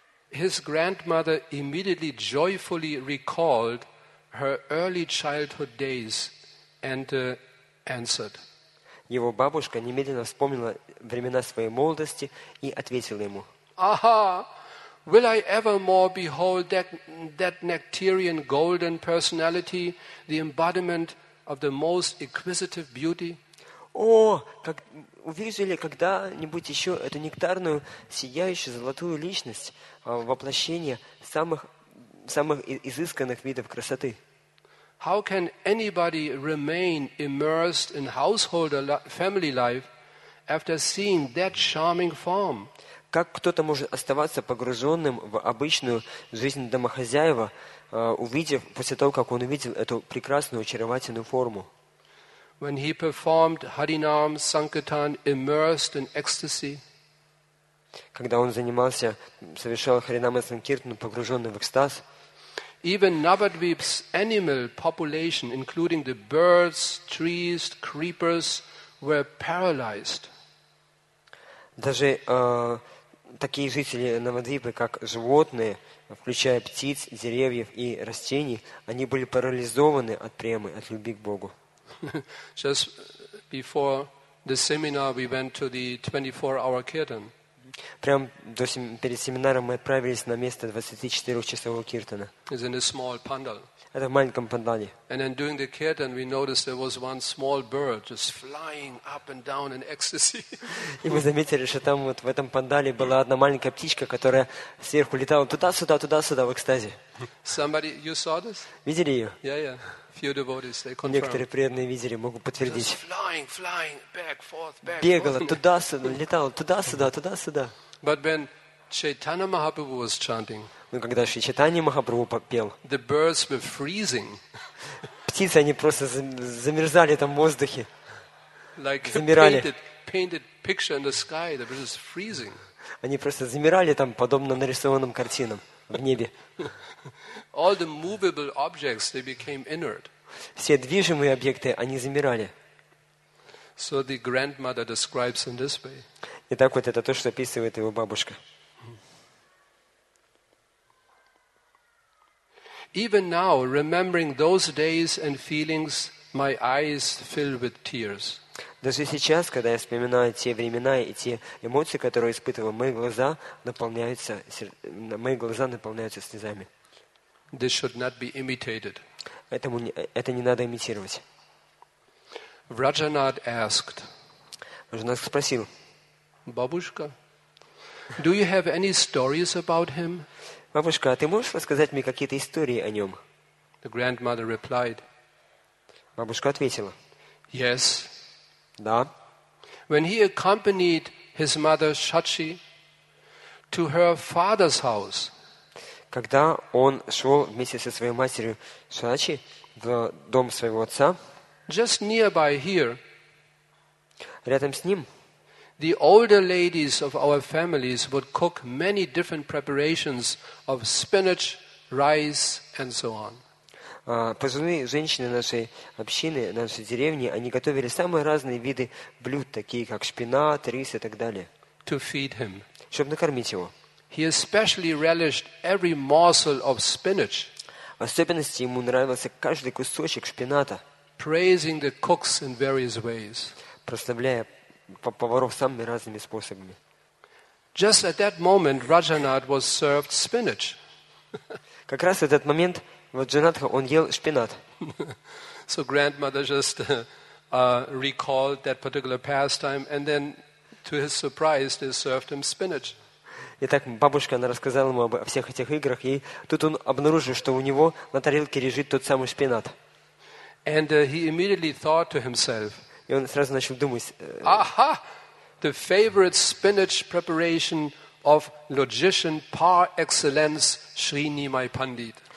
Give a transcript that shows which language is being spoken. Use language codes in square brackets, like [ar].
[en] His grandmother immediately joyfully recalled her early childhood days and answered. [ru] Его бабушка немедленно вспомнила времена своей молодости и ответила ему. [en] Aha! Will I ever more behold that nectarian golden personality, the embodiment of the most exquisite beauty? [ru] О, как увижу ли когда-нибудь еще эту нектарную, сияющую золотую личность, воплощение самых изысканных видов красоты? [en] How can anybody remain immersed in household or family life after seeing that charming form? [ru] Как кто-то может оставаться погруженным в обычную жизнь домохозяева, увидев после того, как он увидел эту прекрасную, очаровательную форму? [en] When he performed Harinam Sankirtan immersed in ecstasy. [ru] Когда он занимался, совершал Харинама Санкиртану, погруженный в экстаз. [en] Even Navadvip's animal population, including the birds, trees, creepers, were paralyzed. [ru] Даже такие жители Навадвипы, как животные, включая птиц, деревьев и растений, они были парализованы от премы, от любви к Богу. [en] Just before the seminar, we went to the 24-hour kirtan. [ru] Прям перед семинаром мы отправились на место 24-часового киртана. [en] It's in a small pandal. [ru] Это в маленьком пандале. [en] And then during the kirtan, we noticed there was one small bird just flying up and down in ecstasy. [ru] И мы заметили, что там вот в этом пандале была одна маленькая птичка, которая сверху летала туда-сюда в экстазе. [en] Somebody, you saw this? [ru] Видели ее? [en] Yeah, yeah. Few devotees, they confirm. [ru] Некоторые преданные видели, могут подтвердить. [en] Just flying, back, forth, back. [ru] Бегала туда-сюда, летала туда-сюда. [en] But when Chaitanya Mahaprabhu was chanting, [ru] но когда Шри Чайтанья Махапрабху пел, [en] the birds were freezing. [ru] Птицы, они просто замерзали там в воздухе. Like замирали. [en] Painted picture in the sky, they were just freezing. [ru] Они просто замирали там, подобно нарисованным картинам в небе. [en] All the movable objects, they became inert. [ru] Все движимые объекты, они замирали. [en] So the grandmother describes in this way. [ru] И так вот это то, что описывает его бабушка. [en] Even now, remembering those days and feelings, my eyes fill with tears. [ru] Даже сейчас, когда я вспоминаю те времена и те эмоции, которые испытывал, мои глаза наполняются слезами. [en] This should not be imitated. [ru] Это не надо имитировать. [en] Rajanath asked. [ru] Rajanath спросил. [en] Бабушка, do you have any stories about him? [ru] Бабушка, а ты можешь рассказать мне какие-то истории о нем? [en] The grandmother replied. [ru] Бабушка ответила. [en] Yes. [ru] Да. [en] When he accompanied his mother Shachi to her father's house. [ru] Когда он шел вместе со своей матерью Шачи в дом своего отца. [en] Just nearby here. [ru] Рядом с ним. [en] The older ladies of our families would cook many different preparations of spinach, rice, and so on. [ru] Пожилые женщины нашей общины, нашей деревни, они готовили самые разные виды блюд, такие как шпинат, рис и так далее. [en] To feed him. [ru] Чтобы накормить его. [en] He especially relished every morsel of spinach. [ru] В особенности ему нравился каждый кусочек шпината. [en] Praising the cooks in various ways. [ru] Прославляя поваров самыми разными способами. [en] Just at that moment, Rajanat was served spinach. [ru] Как раз в этот момент вот Джанатха, он ел шпинат. [en] So grandmother just recalled that particular pastime, and then, to his surprise, they served him spinach. [ru] Итак, бабушка, она рассказала ему обо всех этих играх, и тут он обнаружил, что у него на тарелке лежит тот самый шпинат. [en] And he immediately thought to himself. [ru] И он сразу начал думать. [en] Aha! The favorite spinach preparation of logician par excellence Sri Nimai Pandit.